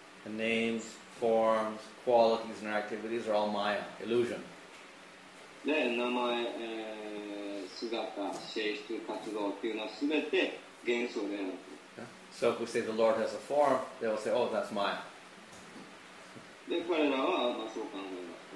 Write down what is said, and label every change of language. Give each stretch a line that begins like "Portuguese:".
English: The names, forms, qualities, and activities are all Maya, illusion.
Japanese: で、名前、姿、性質、活動っていうのはすべて幻想である。
English: Yeah. So if we say the Lord has a form, they will say, oh, that's Maya.
Japanese: で、彼らは、まあ、そう考えます。